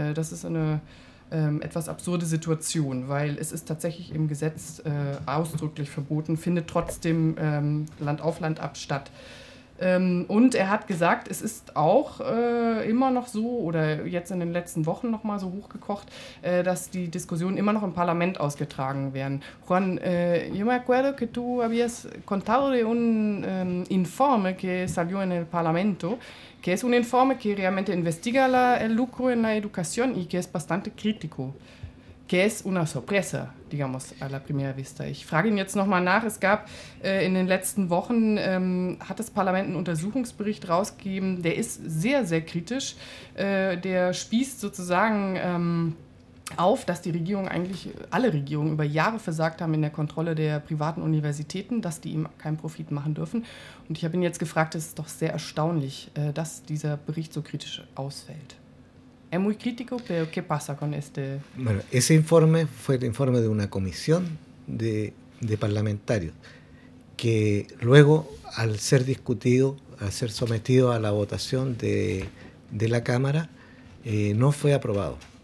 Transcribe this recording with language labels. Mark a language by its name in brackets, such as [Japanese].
[German] Das ist eine etwas absurde Situation, weil es ist tatsächlich im Gesetz ausdrücklich verboten, findet trotzdem Land auf Land ab statt. Und er hat gesagt, es ist auch immer noch so, oder jetzt in den letzten Wochen noch mal so hochgekocht, dass die Diskussionen immer noch im Parlament ausgetragen werden. [Spanish] Juan, yo me acuerdo que tú habías contado de un informe que salió en el Parlamento, que es un informe que realmente investiga el lucro en la educación y que es bastante crítico. Que es una sorpresa, digamos, a la primera vista. [German] Ich frage ihn jetzt nochmal nach. Es gab in den letzten Wochen, hat das Parlament einen Untersuchungsbericht rausgegeben. Der ist sehr, sehr kritisch. Der spießt sozusagen auf, dass die Regierung eigentlich, alle Regierungen über Jahre versagt haben in der Kontrolle der privaten Universitäten, dass die ihm keinen Profit machen dürfen. Und ich habe ihn jetzt gefragt, es ist doch sehr erstaunlich, dass dieser Bericht so kritisch ausfällt. [Spanish] Es muy crítico, pero ¿qué pasa con este...? Bueno, ese informe fue el informe de una comisión de parlamentarios que luego, al ser discutido, al ser sometido a la votación de la Cámara, no fue aprobado.